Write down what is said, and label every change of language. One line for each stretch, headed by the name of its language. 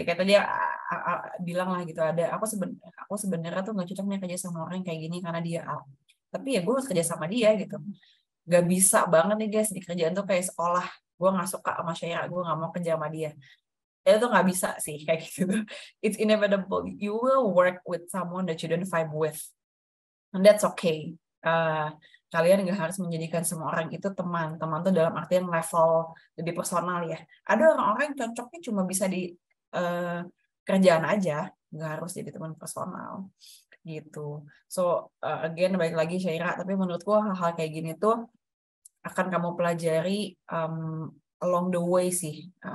Indonesian: Kayak tadi bilang lah gitu, ada aku sebenarnya tuh nggak cocok nih kerja sama orang kayak gini karena dia A. Tapi ya gue harus kerja sama dia gitu. Gak bisa banget nih guys, di kerjaan tuh kayak sekolah. Gue gak suka sama Syaira, gue gak mau kerja sama dia. Itu tuh gak bisa sih, kayak gitu.
English: It's inevitable. You will work with someone that you don't vibe with. And that's okay.
Indonesian: Kalian gak harus menjadikan semua orang itu teman. Teman tuh dalam artian level lebih personal ya. Ada orang-orang yang cocoknya cuma bisa di kerjaan aja. Gak harus jadi teman personal. Gitu. So again balik lagi Syaira, tapi menurutku hal-hal kayak gini tuh akan kamu pelajari
English: along the way
Indonesian: sih.